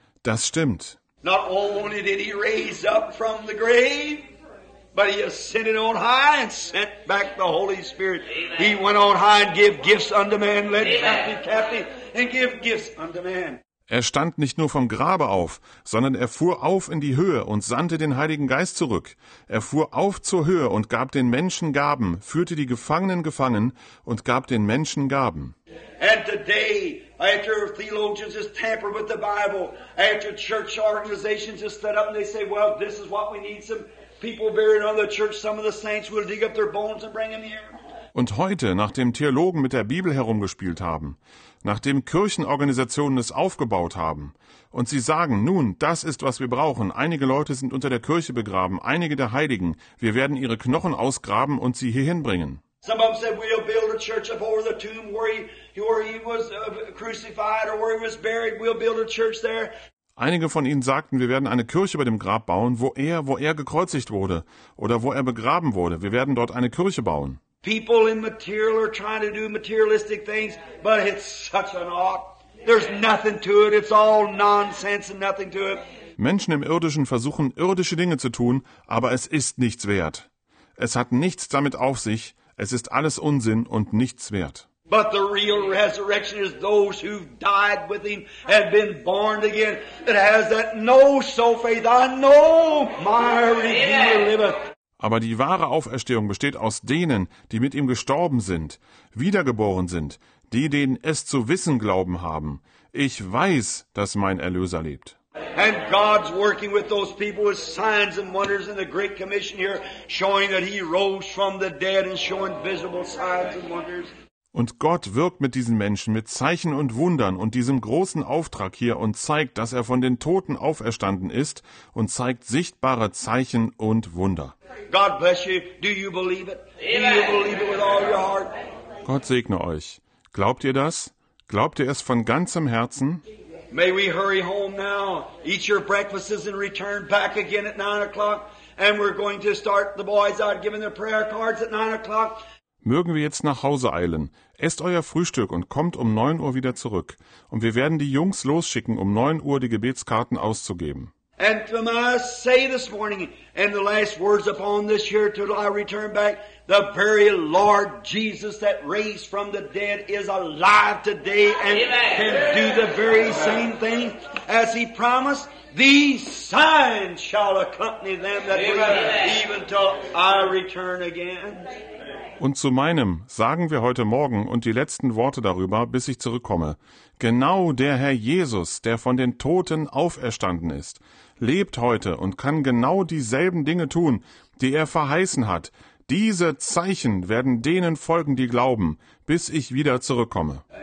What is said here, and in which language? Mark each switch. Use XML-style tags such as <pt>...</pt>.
<de>Das stimmt.</de> <en>Not only did he raise up from the grave, But he ascended on high and sent back the Holy Spirit. Amen. He went on high and gave gifts unto man, led captive captive, and gave gifts unto man.</en> <de>Er stand nicht nur vom Grabe auf, sondern er fuhr auf in die Höhe und sandte den Heiligen Geist zurück. Er fuhr auf zur Höhe und gab den Menschen Gaben, führte die Gefangenen gefangen und gab den Menschen Gaben.</de> <en>And today, after theologians just tamper with the Bible, after church organizations just set up and they say, well, this is what we need, some people buried under the church, some of the saints will dig up their bones and bring them here.</en> <de>Und heute, nachdem Theologen mit der Bibel herumgespielt haben, nachdem Kirchenorganisationen es aufgebaut haben und sie sagen, nun, das ist, was wir brauchen, einige Leute sind unter der Kirche begraben, einige der Heiligen, wir werden ihre Knochen ausgraben und sie hierhin bringen.</de> <en>Some of them said, we'll build a church up over the tomb where he was crucified or where he was buried, we'll build a church there.</en> <de>Einige von ihnen sagten, wir werden eine Kirche bei dem Grab bauen, wo er gekreuzigt wurde oder wo er begraben wurde, wir werden dort eine Kirche bauen.</de> <en>People in material are trying to do materialistic things, but it's such an ought. There's nothing to it. It's all nonsense and nothing to it.</en> <de>Menschen im Irdischen versuchen, irdische Dinge zu tun, aber es ist nichts wert. Es hat nichts damit auf sich. Es ist alles Unsinn und nichts wert.</de> <en>But the real resurrection is those who've died with him and been born again. It has that know so faith. I know my Redeemer liveth.</en> <de>Aber die wahre Auferstehung besteht aus denen, die mit ihm gestorben sind, wiedergeboren sind, die, denen es zu wissen glauben haben. Ich weiß, dass mein Erlöser lebt.</de> <en>And God's working with those people with signs and wonders in the Great Commission here, showing that he rose from the dead and showing visible signs and wonders.</en> <de>Und Gott wirkt mit diesen Menschen mit Zeichen und Wundern und diesem großen Auftrag hier und zeigt, dass er von den Toten auferstanden ist und zeigt sichtbare Zeichen und Wunder.</de> <en>God bless you. Do you believe it? Do you believe it with all your heart?</en> <de>Gott segne euch. Glaubt ihr das? Glaubt ihr es von ganzem Herzen?</de> <en>May we hurry home now, eat your breakfasts and return back again at 9 o'clock, and we're going to start the boys out giving their prayer cards at 9 o'clock.</en> <de>Mögen wir jetzt nach Hause eilen. Esst euer Frühstück und kommt um 9 Uhr wieder zurück. Und wir werden die Jungs losschicken, um 9 Uhr die Gebetskarten auszugeben.</de> <en>And I say this morning, and the last words upon this year till I return back, the very Lord Jesus that raised from the dead is alive today and can do the very same thing as he promised. These signs shall accompany them that believe, even till I return again.</en> <de>Und zu meinem sagen wir heute Morgen und die letzten Worte darüber, bis ich zurückkomme. Genau der Herr Jesus, der von den Toten auferstanden ist, lebt heute und kann genau dieselben Dinge tun, die er verheißen hat. Diese Zeichen werden denen folgen, die glauben, bis ich wieder zurückkomme.</de>